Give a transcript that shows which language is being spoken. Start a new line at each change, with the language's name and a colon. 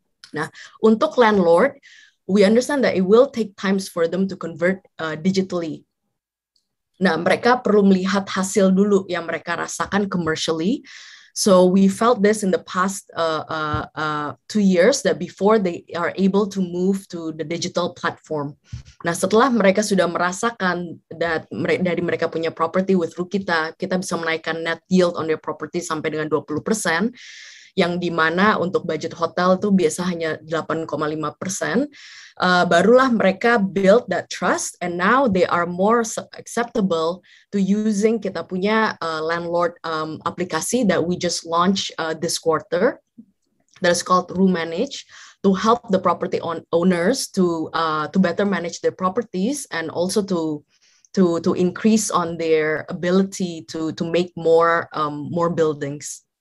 Indonesian: Nah, untuk
English: landlord, we understand that it will take times for them to convert digitally.
Indonesian: Nah, mereka perlu melihat hasil dulu yang mereka rasakan
English: commercially. So we felt this in the past 2 years that before they are able to move to the digital platform.
Indonesian: Nah, setelah mereka sudah merasakan
English: that
Indonesian: dari mereka punya property with Rukita, kita bisa menaikkan
English: net yield on their property
Indonesian: sampai dengan 20%, yang di mana untuk budget hotel itu biasa hanya 8,5%. Barulah mereka
English: build that trust, and now they are more acceptable to using
Indonesian: kita punya landlord aplikasi
English: that we just launched this quarter, that is called RooManage, to help the property owners to better manage their properties, and also to increase on their ability to make more more buildings.